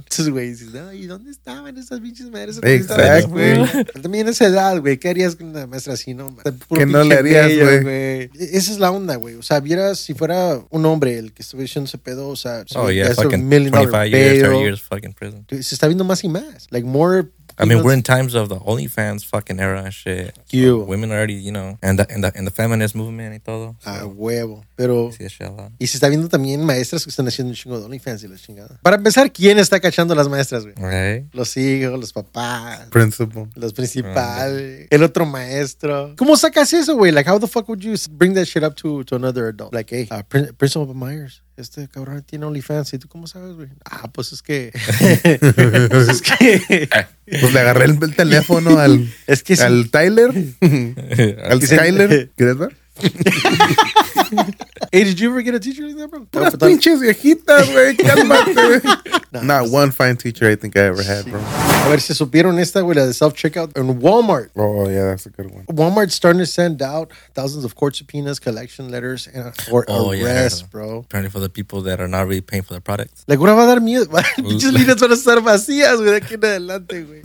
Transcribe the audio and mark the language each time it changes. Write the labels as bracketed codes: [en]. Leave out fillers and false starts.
[es] Entonces, güey, dices, ay, ¿dónde estaban esas pinches maestras? Exacto. También esa edad, güey, ¿qué harías con una maestra así, no? Que no le harías, güey. Esa es la onda, güey. O sea, vieras si fuera un hombre el que estuviera haciendo ese pedo, o sea, [en] oh, yeah, $25 million, 30 years fucking prison. [es] Se está viendo más y más. [en] Like, more... I mean, we're in times of the OnlyFans fucking era and shit. So women already, you know, and the feminist movement and [es] todo. So. Ah, huevo. Pero... Y se está viendo también maestras que están haciendo un chingo de OnlyFans y la chingada. Para empezar, ¿quién está cachando las maestras, güey? [en] Okay. [es] Los hijos, los papás. [en] Principal. [es] Los principales. [en] Right. [es] El otro maestro. ¿Cómo sacas eso, güey? [en] Like, how the fuck would you bring that shit up to another adult? Like, hey, Principal Myers. [es] Este cabrón tiene OnlyFans. ¿Y tú cómo sabes, güey? Ah, pues es que... es que... Pues le agarré el teléfono al... Es que sí. Al Tyler. Al Skyler. ¿Quieres ver? [en] Hey, did you ever get a teacher like that, bro? [es] Puras pinches viejitas, güey. Cálmate, güey. [en] Not one fine teacher I think I ever had, bro. [es] A ver, ¿se supieron esta, güey, la de self-checkout en Walmart? [en] Oh, yeah, that's a good one. Walmart's starting to send out thousands of court subpoenas, collection letters, and court arrests, yeah. Bro. Apparently for the people that are not really paying for the products. [es] Like, ¿una va a dar miedo? Pinches líneas van a estar vacías, güey, aquí en adelante, güey.